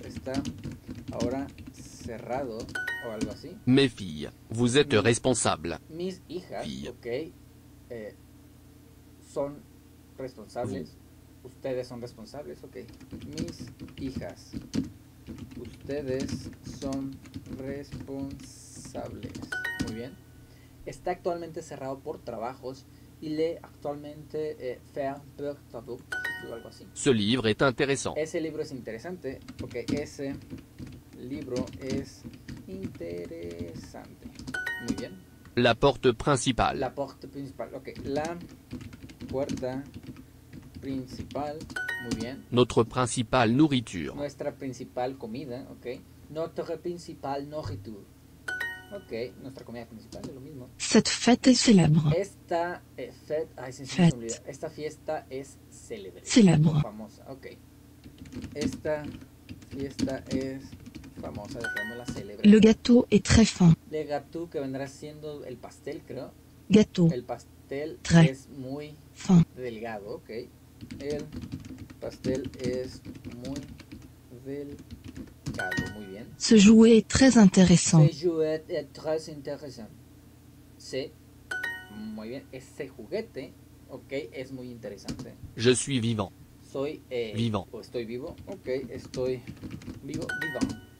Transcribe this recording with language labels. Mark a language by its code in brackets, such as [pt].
[es] Está ahora cerrado o algo así. [fr] Mes filles, vous êtes responsables. [es] Mis hijas, [fr] filles. Ok. [es] Son responsables. [fr] Vous. [es] Ustedes son responsables, ok. Mis hijas, ustedes son responsables. Muy bien. Está actualmente cerrado por trabajos. [fr] Il est actualmente faire pour travaux ou [es] algo así. [fr] Ce livre est intéressant. [es] Ese libro es interesante. Ok, ese libro es interesante. Muy bien. [fr] La porte principale. La porte principale. Ok, [es] la puerta principal. Muy bien. [fr] Notre principale nourriture. [es] Nuestra principal comida. Ok. [fr] Notre principale nourriture. [es] Ok, nuestra comida principal es lo mismo. [fr] Cette fête est célèbre. [es] Esta fête, ay, sí, fête. Se me olvidó. Esta fiesta es célebre. [fr] Célèbre. [es] Famosa, ok. Esta fiesta es famosa, dejémosla célebre. [fr] Le gâteau est très fin. [es] Le gâteau, que vendrá siendo el pastel, creo. [fr] Gâteau. [es] El pastel [fr] très [es] es muy [fr] fin. [es] Delgado, ok. El pastel es muy delgado, muy bien. [fr] Ce jouet est très intéressant. Ce jouet est très intéressant. [es] C'est muy bien. Ese juguete, ok, es muy interesante. [fr] Je suis vivant. [es] Soy [fr] vivant. [es] O estoy vivo, ok, estoy vivo, vivant.